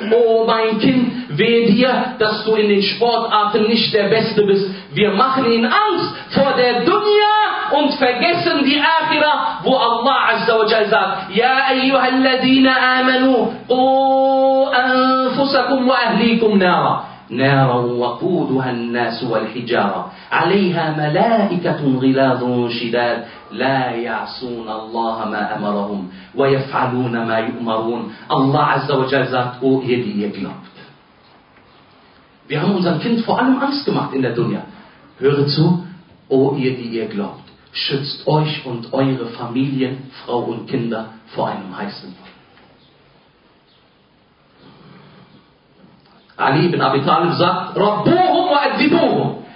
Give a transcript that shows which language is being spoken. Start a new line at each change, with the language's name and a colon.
German: Oh mein Kind, wehe dir, dass du in den Sportarten nicht der Beste bist. Wir machen ihnen Angst vor der Dunya und vergessen die Akhira, wo Allah Azza wa Jalla sagt,
Arabic: Ya ayyuhalladina amanu, qu anfusakum wa ahlikum nara. نارا وقودها الناس والحجارة عليها ملائكة غلاظ شداد لا يعصون الله ما أمرهم ويفعلون ما يؤمرون الله عز وجل
German: sagt, oh ihr die ihr glaubt. Wir haben unserem Kind vor allem Angst gemacht in der Dunya. Höre zu, oh ihr die ihr glaubt, schützt euch und eure Familien, Frau und Kinder vor einem heißen Feuer. Ali ibn Abi Talib sagt,
Arabic: Rabbuhum wa adibuhum.